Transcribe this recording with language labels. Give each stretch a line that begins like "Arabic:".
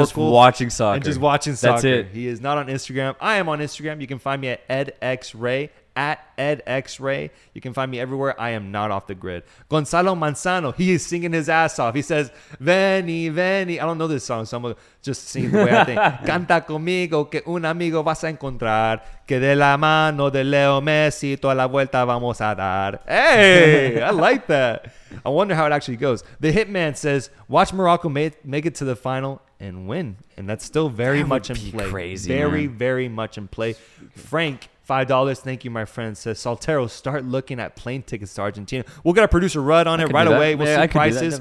English: And just watching soccer. That's it. He is not on Instagram. I am on Instagram. You can find me at edxray. At Ed X-Ray. You can find me everywhere. I am not off the grid. Gonzalo Manzano, he is singing his ass off. He says, Veni, Veni. I don't know this song, so I'm just singing the way I think.
Spanish: Canta conmigo que un amigo vas a encontrar. Que de la mano de Leo Messi toda la vuelta vamos a dar.
English: Hey, I like that. I wonder how it actually goes. The Hitman says, watch Morocco make it to the final and win. And that's still very much in play. Crazy, very, man. Very much in play. Frank $5. Thank you, my friend. Says Saltero, start looking at plane tickets to Argentina. We'll get our producer Rudd on it right away. We'll see prices.